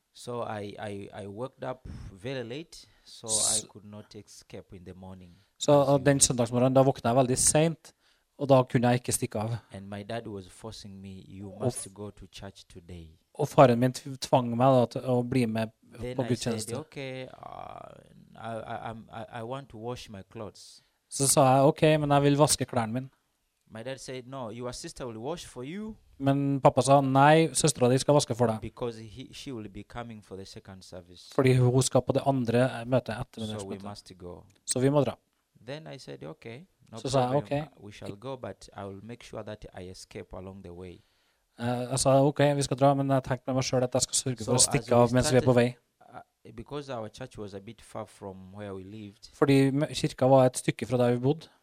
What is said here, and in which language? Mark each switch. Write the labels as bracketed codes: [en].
[en] So I worked up very late, so I could not escape in the morning. [no] Så den søndagsmorgen, da våkna jeg veldig sent, og da kunne jeg ikke stikke av. [en] And my dad was forcing me, you must go to church today. [no] Og faren min tvang meg da til å bli med [en] then [no] på gudstjeneste. [en] Then I said, okay, I want to wash my clothes. [no] Så sa jeg, ok, men jeg vil vaske klærne mine. [en] My dad said, no, your sister will wash for you. [no] Men pappa sa, nei, søstra di skal vaske for deg. [en] Because she will be coming for the second service. [no] Fordi hun skal på det andre møtet etter denne spørsmålet. [en] So we must go. [no] Så vi må dra. [en] Then I said, okay, no [no] problem. Så sa jeg, ok. [en] We shall go, but I will make sure that I escape along the way. [no] Jeg sa, ok, vi skal dra, men jeg tenkte med meg selv at jeg skal sørge for å stikke av mens vi er på vei. [en] Because our church was a bit far from where we lived. [no] Fordi kirka var et stykke fra der vi bodde.